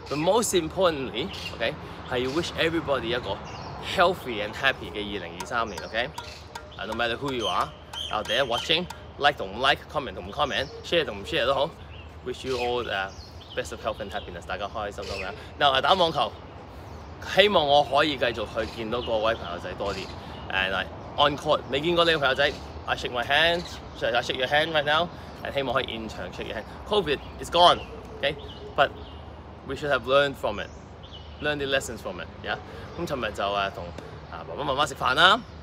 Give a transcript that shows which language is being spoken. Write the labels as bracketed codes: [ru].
[en] But most importantly, okay, [yue] 係要 [en] wish everybody [yue] 一個 [en] healthy and happy [yue] 嘅2023年。 [en] Okay, no matter who you are. Out there watching, like [yue] 同唔 [en] like, comment 同唔 comment, share 同唔 share [yue] 都好。 [en] Wish you all the best of health and happiness. [yue] 大家開開心心嘅。 [en] Now [yue] 打網球，希望我可以繼續去見到各位朋友仔多啲。 [en] And on court, [yue] 未見過你嘅朋友仔 [en] ，I shake my hand, I shake your hand right now. And [yue] 希望可以現場 [en] shake your hand. COVID is gone, okay? But we should have learned from it, learned the lessons from it. Yeah. [yue] 咁尋日就同爸爸媽媽食飯啦。